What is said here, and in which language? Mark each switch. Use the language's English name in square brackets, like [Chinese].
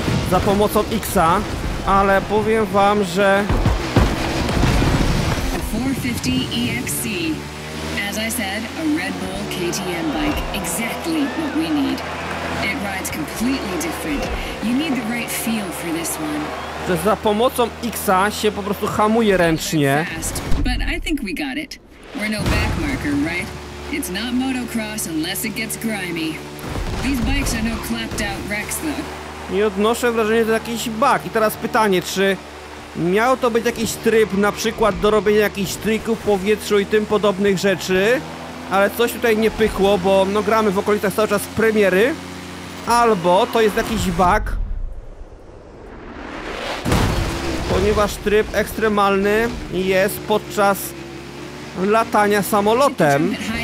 [Polish] Za pomocą X-a, ale powiem wam, że [English] 450 EXC, as I said, a Red Bull KTM bike, exactly what we need. It rides completely different. You need the right feel for this one. [Polish] To za pomocą X-a się po prostu hamuje ręcznie. [English] But I think we got it. We're no backmarker, right? It's not motocross unless it gets grimy. These bikes are no clapped out wrecks though. [Polish] I odnoszę wrażenie, że to jakiś bug. I teraz pytanie, czy miał to być jakiś tryb, na przykład do robienia jakichś trików w powietrzu i tym podobnych rzeczy, ale coś tutaj nie pychło, bo no gramy w okolicach cały czas premiery, albo to jest jakiś bug, ponieważ tryb ekstremalny jest podczas latania samolotem.